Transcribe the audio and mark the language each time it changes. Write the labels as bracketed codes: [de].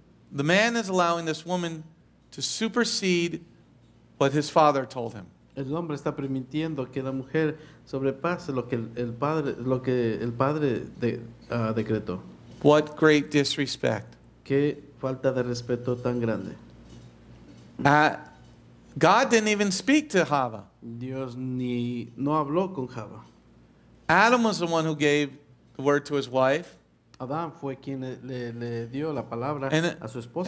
[en] The man is allowing this woman to supersede what his father told him. [es] El hombre está permitiendo que la mujer sobrepase lo que el padre decretó. [en] What great disrespect. [es] Qué falta de respeto tan grande. [en] God didn't even speak to Hava. [es] Dios no habló con Hava. [en] Adam was the one who gave the word to his wife. [es] Adam fue quien le dio la palabra a su esposa.